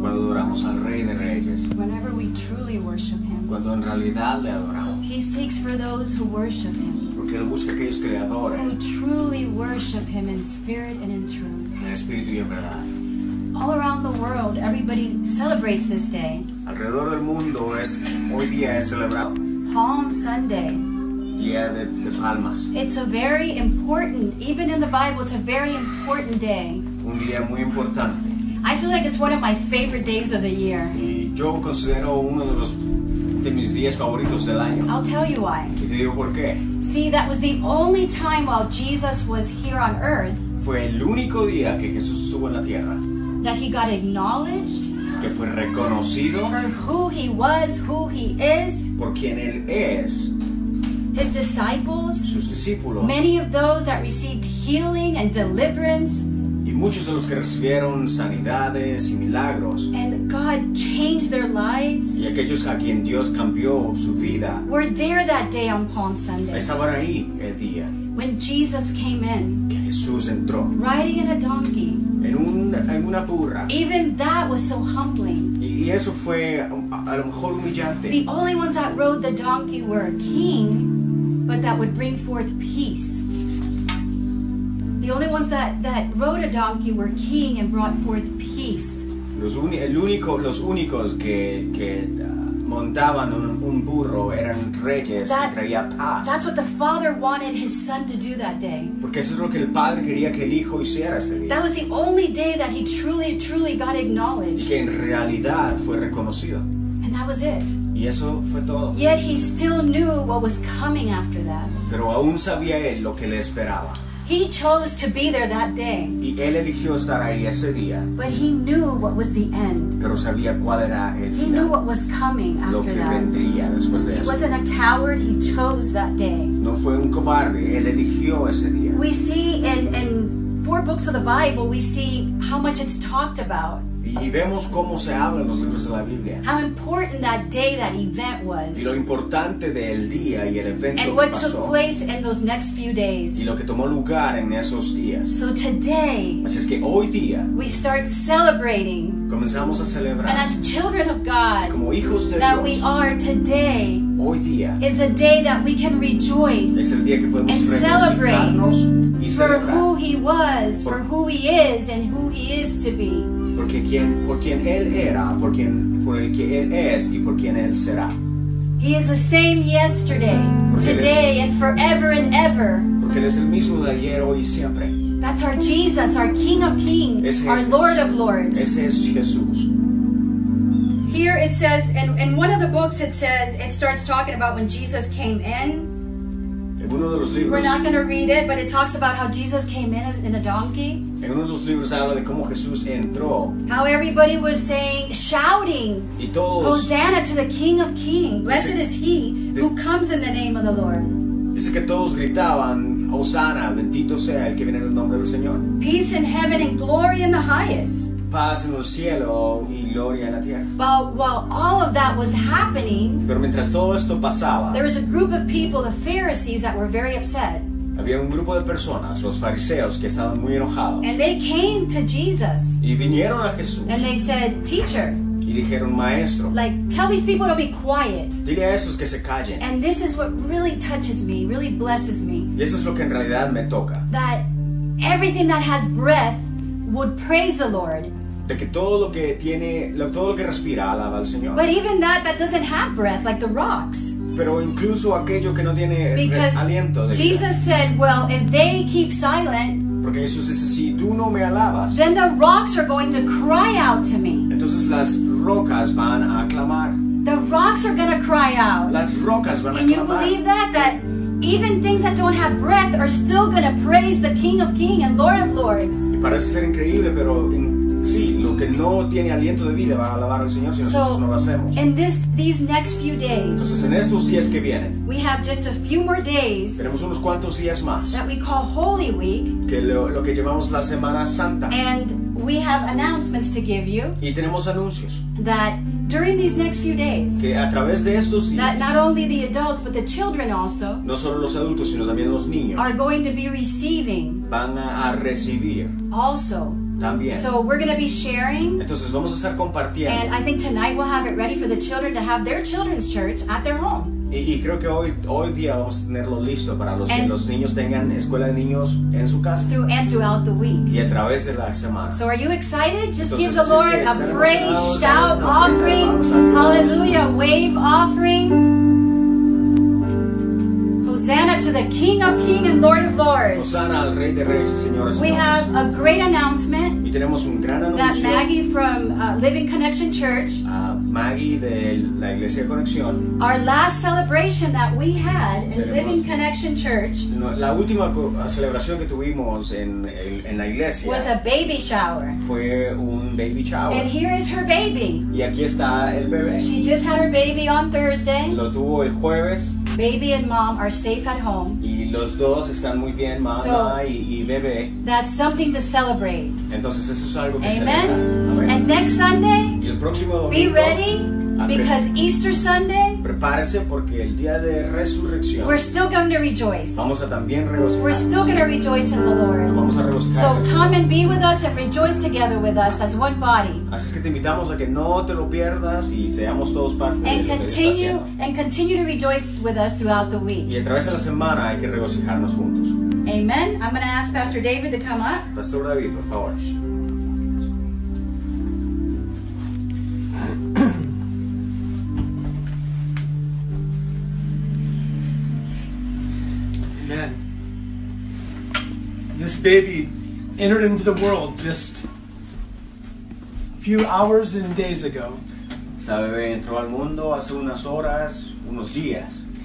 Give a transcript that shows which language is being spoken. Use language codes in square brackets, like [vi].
[es] cuando adoramos al Rey de Reyes, [en] whenever we truly worship Him, [es] cuando en realidad le adoramos, [en] He seeks for those who worship Him, [es] porque Él busca aquellos que le adoren, [en] who truly worship Him in spirit and in truth, [es] en espíritu y en verdad. [en] All around the world, everybody celebrates this day. [es] Alrededor del mundo es, hoy día es celebrado. [en] Palm Sunday. [es] Día de palmas. [en] It's a very important, even in the Bible, it's a very important day. [es] Un día muy importante. [en] I feel like it's one of my favorite days of the year. [es] Y yo considero uno de los de mis días favoritos del año. [en] I'll tell you why. [es] Y te digo por qué. [en] See, that was the only time while Jesus was here on earth. [es] Fue el único día que Jesús estuvo en la tierra. [en] That He got acknowledged. [es] Que fue reconocido. [en] For who He was, who He is. [es] Por quien Él es. [en] His disciples. [es] Sus discípulos. [en] Many of those that received healing and deliverance. [es] Muchos de los que recibieron sanidades y milagros. [en] And God changed their lives. [es] Y aquellos a quien Dios cambió su vida. [en] Were there that day on Palm Sunday. [es] Estaban ahí el día. [en] When Jesus came in. [es] Que Jesús entró. [en] Riding in a donkey. [es] En una burra. [en] Even that was so humbling. [es] Y eso fue a lo mejor humillante. [en] The only ones that rode the donkey were a king, but that would bring forth peace. The only ones that rode a donkey were king and brought forth peace. [es] Los únicos que montaban un burro eran reyes y traía paz. [en] That's what the Father wanted His Son to do that day. [es] Porque eso es lo que el Padre quería que el Hijo hiciera ese día. [en] That was the only day that He truly, truly got acknowledged. [es] Y que en realidad fue reconocido. [en] And that was it. [es] Y eso fue todo. [en] Yet He still knew what was coming after that. [es] Pero aún sabía Él lo que le esperaba. [en] He chose to be there that day. [es] Y él eligió estar ahí ese día. [en] But He knew what was the end. [es] Pero sabía cuál era el final. [en] He knew what was coming after [es] lo que [en] that. [es] Vendría después de [en] he [es] eso. [en] Wasn't a coward, He chose that day. [es] No fue un cobarde, él eligió ese día. [en] We see in four books of the Bible, we see how much it's talked about. [es] Y vemos cómo se habla en los libros de la Biblia. [en] How important that day, that event was. [es] Y lo importante del día y el evento [en] and [es] que [en] what [es] pasó. [en] Took place in those next few days. [es] Y lo que tomó lugar en esos días. [en] So today, [es] así es que hoy día, [en] we start celebrating. [es] Comenzamos a celebrar. [en] And as children of God, [es] como hijos de [en] that [es] Dios, [en] we are today, [es] hoy día, [en] is the day that we can rejoice [es] es el día que podemos [en] and celebrate for who He was, for who He is, and who He is to be. [es] Porque quien, por quien Él era, por quien, por el que Él es y por quien Él será. [en] He is the same yesterday, [es] porque [en] today, and forever and ever. [es] Porque Él es el mismo de ayer, hoy y siempre. [en] That's our Jesus, our King of Kings, [es] es [en] our Lord of Lords. [es] Ese es Jesús. [en] Here it says, and in one of the books it says, it starts talking about when Jesus came in. [es] En uno de los libros, [en] we're not going to read it, but it talks about how Jesus came in as in a donkey. [es] En uno de los libros habla de cómo Jesús entró. [en] How everybody was saying, shouting, [es] y todos, [en] Hosanna to the King of Kings. Blessed [es] dice, [en] is He who comes in the name of the Lord. [es] Dice que todos gritaban, Hosanna, bendito sea el que viene en el nombre del Señor. [en] Peace in heaven and glory in the highest. [es] paz en el cielo y gloria en la tierra. [en] But while all of that was happening, [es] pero mientras todo esto pasaba, [en] there was a group of people, the Pharisees, that were very upset. [es] Había un grupo de personas, los fariseos, que estaban muy enojados. [en] And they came to Jesus. [es] Y vinieron a Jesús. [en] And they said, "Teacher." [es] Y dijeron, "Maestro." [en] Like, tell these people to be quiet. [es] Dile a esos que se callen. [en] And this is what really touches me, really blesses me. [es] Y eso es lo que en realidad me toca. [en] That everything that has breath would praise the Lord. [es] De que todo lo que tiene, todo lo que respira alaba al Señor. [en] But even that doesn't have breath, like the rocks. [es] Pero incluso aquello que no tiene aliento. [en] Because Jesus said, well, if they keep silent, [es] porque Jesús dice, si tú no me alabas, [en] then the rocks are going to cry out to me. [es] Entonces las rocas van a clamar. [en] The rocks are going to cry out. [es] Las rocas van a clamar. [en] Can you believe that? That even things that don't have breath are still going to praise the King of Kings and Lord of Lords. [es] Y parece ser increíble, pero sí, lo que no tiene aliento de vida va a alabar al Señor si nosotros no lo hacemos. [en] So, in these next few days, [es] entonces en estos días que vienen, [en] we have just a few more days, [es] tenemos unos cuantos días más, [en] that we call Holy Week, [es] que lo que llamamos la Semana Santa, [en] and we have announcements to give you, [es] y tenemos anuncios, [en] that during these next few days, [es] que a través de estos días, [en] that not only the adults, but the children also, [es] no solo los adultos, sino también los niños, [en] are going to be receiving, [es] van a recibir, [en] also, [es] también. [en] So we're going to be sharing. [es] Entonces vamos a estar compartiendo. [en] And I think tonight we'll have it ready for the children to have their children's church at their home. [es] Y creo que hoy día vamos a tenerlo listo para los, que los niños tengan escuela de niños en su casa. [en] Through and throughout the week. [es] Y a través de la semana. [en] So are you excited? Just [es] entonces, [en] give the Lord a praise, shout, offering, hallelujah, wave offering. Hosanna to the King of Kings and Lord of Lords. [es] Hosanna al Rey de Reyes y Señor de Señores. [en] We have a great announcement. [es] Y tenemos un gran anuncio. [en] That Maggie from Living Connection Church. [es] Maggie de la Iglesia de Conexión. [en] Our last celebration that we had in Living Connection Church. [es] La última celebración que tuvimos en la iglesia. [en] Was a baby shower. [es] Fue un baby shower. [en] And here is her baby. [es] Y aquí está el bebé. [en] She just had her baby on Thursday. [es] Lo tuvo el jueves. [en] Baby and mom are safe at home. [es] Y los dos están muy bien, mamá [en] so, [es] y bebé. [en] That's something to celebrate. [es] Entonces eso es algo que amen. Celebrar. [en] Amen. And next Sunday, [es] y el próximo domingo, [en] be ready because Easter Sunday, [es] prepárese porque el día de resurrección, [en] we're still going to rejoice. [es] Vamos a también regocijar. [en] We're still going to rejoice in the Lord. [es] Vamos a regocijar. [en] So come and be with us and rejoice together with us as one body. [es] Así es que te invitamos a que no te lo pierdas y seamos todos parte [en] and [es] de lo [en] continue, [es] que estás [en] and continue to rejoice with us throughout the week. [es] Y a través de la semana hay que regocijarnos juntos. Amen. [en] I'm going to ask Pastor David to come up. [es] Pastor David, por favor. [en] This baby entered into the world just a few hours and days ago. [es] Esta bebé entró al mundo hace unas horas, unos días.